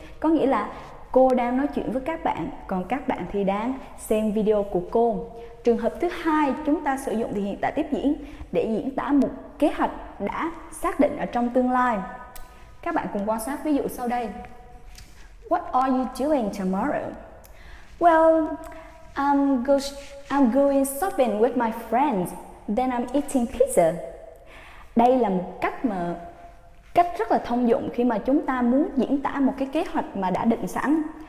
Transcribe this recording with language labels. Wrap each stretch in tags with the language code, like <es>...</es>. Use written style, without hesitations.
<vi>Có nghĩa là cô đang nói chuyện với các bạn, còn các bạn thì đang xem video của cô. Trường hợp thứ hai chúng ta sử dụng thì hiện tại tiếp diễn để diễn tả một kế hoạch đã xác định ở trong tương lai. Các bạn cùng quan sát ví dụ sau đây:</vi> <en>What are you doing tomorrow? Well, I'm going shopping with my friends, then I'm eating pizza.</en> <vi>Đây là một cách rất là thông dụng khi mà chúng ta muốn diễn tả một cái kế hoạch mà đã định sẵn.</vi>